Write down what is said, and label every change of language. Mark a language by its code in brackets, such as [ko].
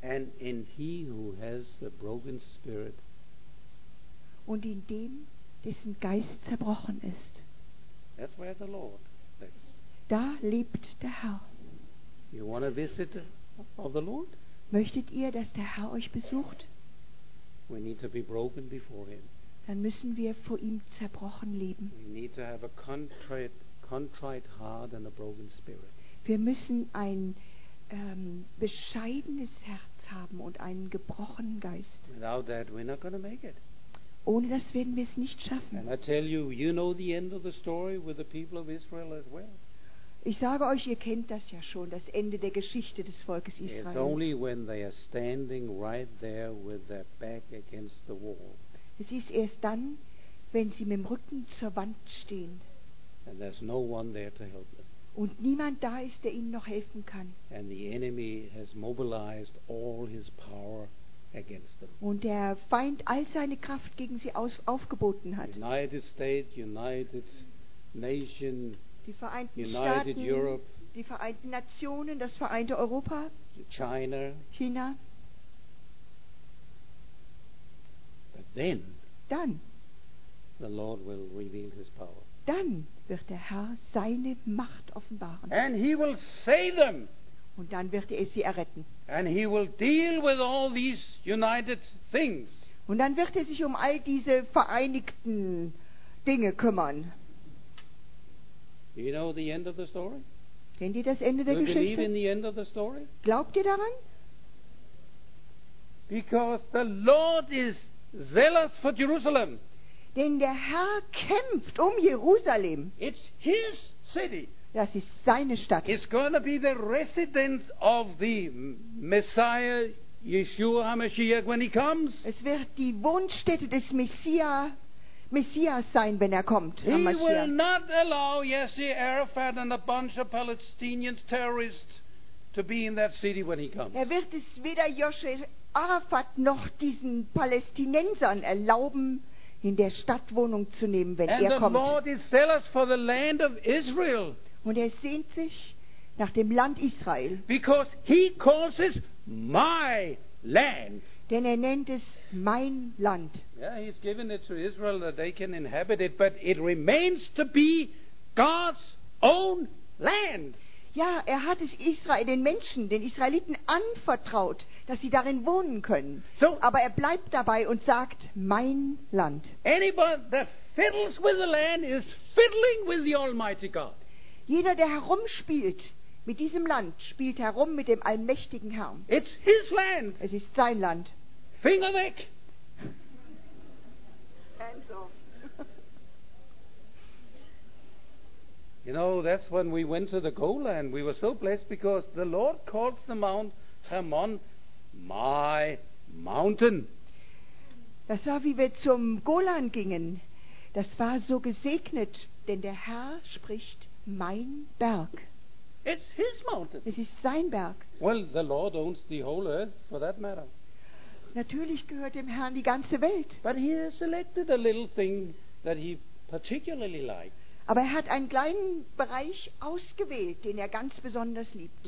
[en] And in he who has a broken spirit. [de] Und in dem, dessen Geist zerbrochen ist. [en] That's where the Lord lives. [de] Da lebt der Herr. [en] You want a visit of the Lord? [de] Möchtet ihr, dass der Herr euch besucht? [en] We need to be broken before him. [de] Dann müssen wir vor ihm zerbrochen leben. [en] We need to have a contrite heart and a broken spirit. [de] Wir müssen ein bescheidenes Herz haben und einen gebrochenen Geist. [en] Without that, we're not going to make it. [de] Ohne das werden wir es nicht schaffen. [en] And I tell you, you know the end of the story with the people of Israel as well. [de] Ich sage euch, ihr kennt das ja schon, das Ende der Geschichte des Volkes Israel. [en] It's only when they are standing right there with their back against the wall. [de] Es ist erst dann, wenn sie mit dem Rücken zur Wand stehen. [en] And there's no one there to help them. [de] Und niemand da ist, der ihnen noch helfen kann. [en] And the enemy has mobilized all his power against them. [de] Und der Feind all seine Kraft gegen sie aufgeboten hat. [en] United States, United Nation, [de] die Vereinten [en] United [de] Staaten, [en] Europe, [de] die Vereinten Nationen, das vereinte Europa, [en] China. Then, [de] dann, [en] the Lord will reveal his power. [de] Dann wird der Herr seine Macht offenbaren. [en] And he will save them. [de] Und dann wird er sie erretten. [en] And he will deal with all these united things. [de] Und dann wird er sich um all diese vereinigten Dinge kümmern. [en] You know the end of the story? [de] Kennt ihr das Ende der Geschichte? [en] Believe in the end of the story? [de] Glaubt ihr daran? [en] Because the Lord is zealous for Jerusalem. [de] Denn der Herr kämpft um Jerusalem. [en] It's his city. [de] Das ist seine Stadt. [en] It's going to be the residence of the Messiah, Yeshua HaMashiach, when he comes. [de] Es wird die Wohnstätte des Messias sein, wenn er kommt. [en] He will not allow Yasser Arafat and a bunch of Palestinian terrorists to be in that city when he comes. [de] Er wird es weder Yasser Arafat noch diesen Palästinensern erlauben, in der Stadt Wohnung zu nehmen, wenn [en] and [de] er kommt. [en] Lord is zealous for the land of Israel. [de] Und er sehnt sich nach dem Land Israel. [en] Because he calls it my land. [de] Denn er nennt es mein Land. [en] Yeah, he's given it to Israel that they can inhabit it, but it remains to be God's own land. [de] Ja, er hat es Israel, den Menschen, den Israeliten anvertraut, dass sie darin wohnen können. [en] So, [de] aber er bleibt dabei und sagt, mein Land. [en] Anybody that fiddles with the land is fiddling with the Almighty God. [de] Jeder, der herumspielt mit diesem Land, spielt herum mit dem allmächtigen Herrn. [en] It's his land. [de] Es ist sein Land. Finger weg. [en] Hands off. You know, that's when we went to the Golan. We were so blessed because the Lord calls the Mount Hermon my mountain. [de] Das war, wie wir zum Golan gingen. Das war so gesegnet, denn der Herr spricht mein Berg. [en] It's his mountain. [de] Es ist sein Berg. [en] Well, the Lord owns the whole earth, for that matter. [de] Natürlich gehört dem Herrn die ganze Welt. [en] But he has selected a little thing that he particularly liked. [de] Aber er hat einen kleinen Bereich ausgewählt, den er ganz besonders liebt.